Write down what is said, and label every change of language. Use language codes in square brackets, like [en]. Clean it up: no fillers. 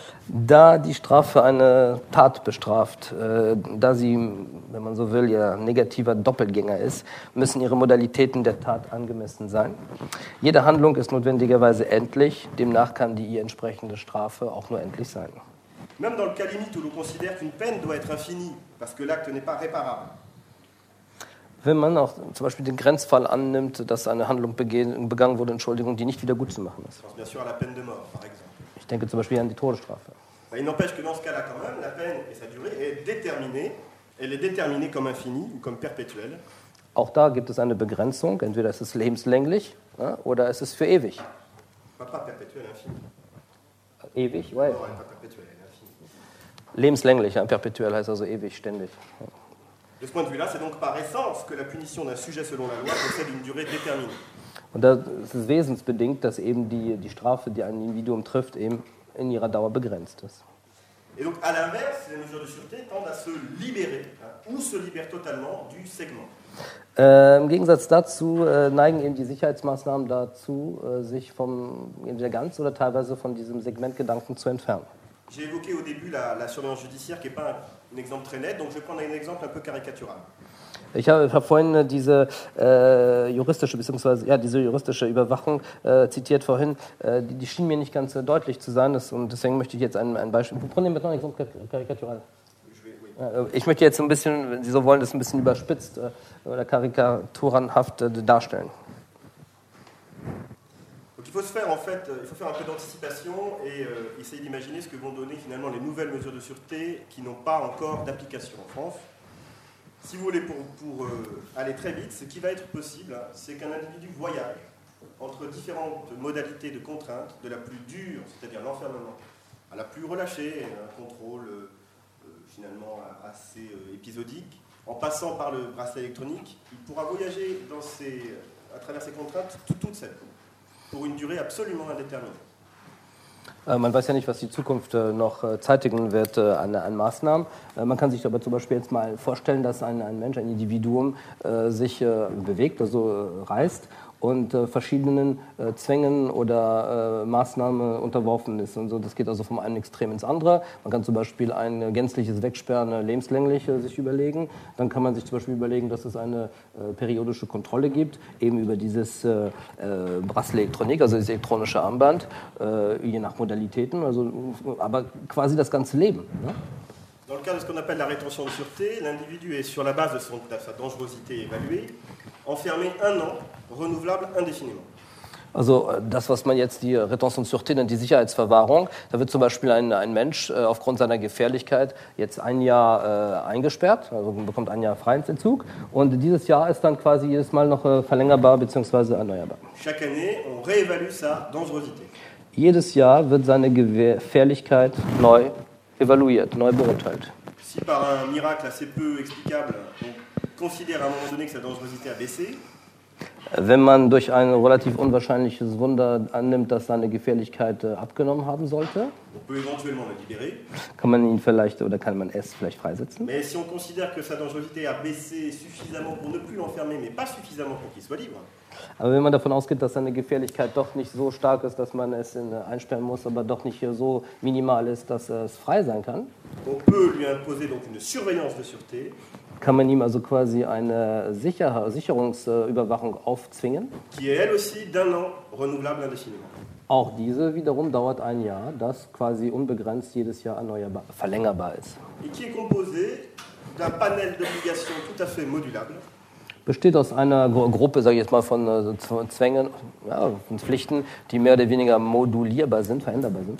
[de] Da die Strafe eine Tat bestraft, da sie, wenn man so will, ja negativer Doppelgänger ist, müssen ihre Modalitäten der Tat angemessen sein. Jede Handlung ist notwendigerweise endlich, demnach kann die ihr entsprechende Strafe auch nur endlich sein. [fr] Même dans le cas limite où l'on considère qu'une peine doit être infinie, parce que l'acte n'est pas réparable. [de] Wenn man auch zum Beispiel den Grenzfall annimmt, dass eine Handlung begangen wurde, Entschuldigung, die nicht wieder gut zu machen ist. [fr] Bien sûr à la peine de mort, par exemple. [de] Ich denke zum Beispiel an die Todesstrafe. [fr] Mais il n'empêche que dans ce cas-là quand même, la peine et sa durée est déterminée. Elle est déterminée comme infinie ou comme perpétuelle. [de] Auch da gibt es eine Begrenzung. Entweder ist es lebenslänglich, ja, oder ist es für ewig. [fr] Pas perpétuelle, infinie. [de] Ewig, ouais. [fr] Non, pas perpétuelle, infinie. [de] Lebenslänglich, ja. Perpétuel heißt also ewig, ständig. [fr] De ce point de vue-là, c'est donc par essence que la punition d'un sujet selon la loi possède une durée déterminée. [de] Und das ist wesensbedingt, dass eben die Strafe, die ein Individuum trifft, eben in ihrer Dauer begrenzt ist. [fr] Et donc, à l'inverse, les mesures de sûreté tendent à se libérer hein, ou se libèrent totalement du segment. [de] Im Gegensatz dazu neigen eben die Sicherheitsmaßnahmen dazu, sich vom entweder ganz oder teilweise von diesem Segmentgedanken zu entfernen. [fr] J'ai évoqué au début la surveillance judiciaire, qui est pas un exemple très net, donc je vais prendre un exemple un peu caricatural. [de] Ich habe vorhin diese juristische bzw. ja diese juristische Überwachung zitiert vorhin, die schien mir nicht ganz deutlich zu sein, und deswegen möchte ich jetzt ein Beispiel. Wir [fr] prenons maintenant un exemple caricatural. [de] Ich möchte jetzt ein bisschen, wenn Sie so wollen, das ein bisschen überspitzt oder karikaturenhaft darstellen. [fr] Donc, il faut se faire en fait, il faut faire un peu d'anticipation et essayer d'imaginer ce que vont donner finalement les nouvelles mesures de sûreté qui n'ont pas encore d'application en France. Si vous voulez pour aller très vite, ce qui va être possible, c'est qu'un individu voyage entre différentes modalités de contraintes, de la plus dure, c'est-à-dire l'enfermement, à la plus relâchée, un contrôle finalement assez épisodique, en passant par le bracelet électronique, il pourra voyager à travers ces contraintes toute sa vie, pour une durée absolument indéterminée. [de] Man weiß ja nicht, was die Zukunft noch zeitigen wird an Maßnahmen. Man kann sich aber zum Beispiel jetzt mal vorstellen, dass ein Mensch, ein Individuum sich bewegt, also reist und verschiedenen Zwängen oder Maßnahmen unterworfen ist. Und so, das geht also vom einen Extrem ins andere. Man kann zum Beispiel ein gänzliches Wegsperren lebenslänglich sich überlegen. Dann kann man sich zum Beispiel überlegen, dass es eine periodische Kontrolle gibt, eben über dieses Bracelet-Elektronik, also dieses elektronische Armband, je nach Modalitäten, also, aber quasi das ganze Leben. Ne? [fr] Dans le cas de ce qu'on appelle la rétention de sûreté, l'individu est sur la base de sa dangerosité évaluée, enfermé un an, renouvelable indéfiniment. [de] Also das, was man jetzt die Rétention de sûreté nennt, die Sicherheitsverwahrung, da wird zum Beispiel ein Mensch aufgrund seiner Gefährlichkeit jetzt ein Jahr eingesperrt, also bekommt ein Jahr Freiheitsentzug und dieses Jahr ist dann quasi jedes Mal noch verlängerbar bzw. erneuerbar. [fr] Chaque année, on réévalue sa dangerosité. [de] Jedes Jahr wird seine Gefährlichkeit neu evaluiert, neu beurteilt. [fr] Si par un miracle assez peu explicable, on considère à un moment donné que sa dangerosité a baissé. [de] Wenn man durch ein relativ unwahrscheinliches Wunder annimmt, dass seine Gefährlichkeit abgenommen haben sollte, [fr] on peut éventuellement le libérer. [de] Kann man ihn vielleicht oder kann man es vielleicht freisetzen. [fr] Mais si on considère que sa dangerosité a baissé suffisamment pour ne plus l'enfermer, mais pas suffisamment pour qu'il soit libre. [de] Aber wenn man davon ausgeht, dass seine Gefährlichkeit doch nicht so stark ist, dass man es einsperren muss, aber doch nicht so minimal ist, dass es frei sein kann, [fr] on peut lui imposer donc une surveillance de sûreté. [de] Kann man ihm also quasi eine Sicherungsüberwachung aufzwingen. [fr] Qui est elle aussi d'un an, renouvelable indéfiniment. [de] Auch diese wiederum dauert ein Jahr, das quasi unbegrenzt jedes Jahr erneuerbar, verlängerbar ist. [fr] Et qui est composé d'un panel d'obligations tout à fait modulable. [de] Besteht aus einer Gruppe, sage ich jetzt mal, von Zwängen, ja, von Pflichten, die mehr oder weniger modulierbar sind, veränderbar sind.